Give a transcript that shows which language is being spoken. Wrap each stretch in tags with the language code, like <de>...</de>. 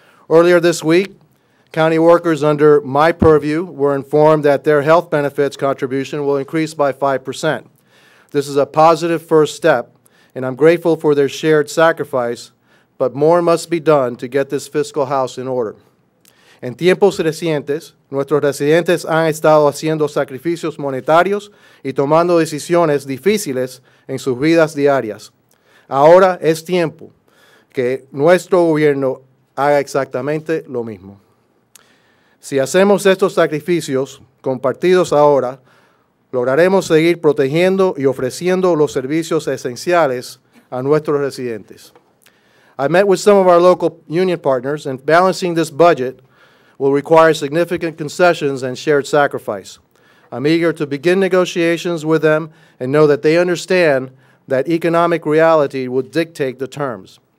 <en>Earlier this week, county workers under my purview were informed that their health benefits contribution will increase by 5%. This is a positive first step, and I'm grateful for their shared sacrifice, but more must be done to get this fiscal house in order.</en> <es>En tiempos recientes, nuestros residentes han estado haciendo sacrificios monetarios y tomando decisiones difíciles en sus vidas diarias. Ahora es tiempo que nuestro gobierno haga exactamente lo mismo. Si hacemos estos sacrificios compartidos ahora, lograremos seguir protegiendo y ofreciendo los servicios esenciales a nuestros residentes.</es> <en>I met with some of our local union partners, and balancing this budget will require significant concessions and shared sacrifice. I'm eager to begin negotiations with them and know that they understand that economic reality will dictate the terms.</en>